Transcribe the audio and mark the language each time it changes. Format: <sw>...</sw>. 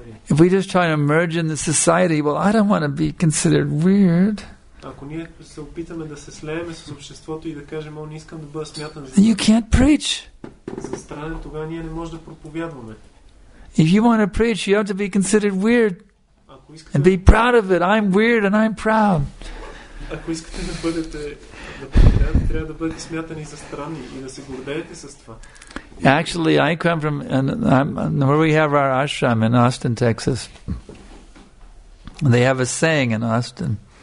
<en>If we just try to merge in the society, well, I don't want to be considered weird.</en> <bg>Ако ние се опитаме да се слееме с обществото и да кажем, не искам да бъда смятан</bg> <en>за. You can't preach.</en> <bg>За странен, тогава ние не можем да проповядваме.</bg> <en>If you want to preach, you have to be considered weird.</en> <bg>Ако искате</bg> <en>and be proud of it. I'm weird and I'm proud.</en> <bg>Ако искате да бъдете да проповядвате, трябва да бъдете смятани за странни и да се гордеете с това.</bg> <en>Actually, I come from where we have our ashram in Austin, Texas. They have a saying in Austin.</en>